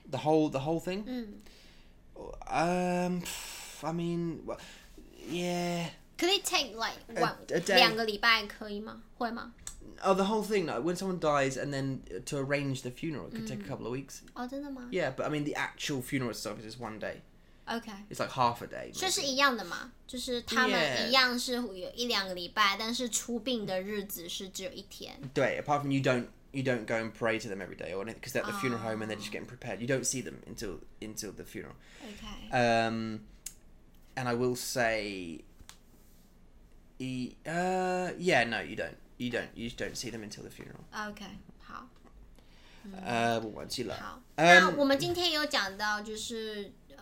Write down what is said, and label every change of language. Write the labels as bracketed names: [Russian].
[English] The whole thing? I mean, yeah. Could it take like one day? [Chinese] 两个礼拜可以吗?会吗? [English] Oh, the whole thing. Like, when someone dies and then to arrange the funeral, it could take a couple of weeks. [Chinese] Oh, 真的吗? [English] Yeah, but I mean, the actual funeral itself is just one day. Okay. It's like half a day. [Chinese] 这是一样的吗? 就是他们一样是有一两个礼拜, 但是出殡的日子是只有一天。 [English] 对, apart from you don't go and pray to them every day or anything, because they're at the funeral home and they're just getting prepared. You don't see them until the funeral. Okay. And I will say, you don't. You just don't see them until the funeral. Okay. 好。 [Chinese] 我忘记了。好。那我们今天有讲到就是。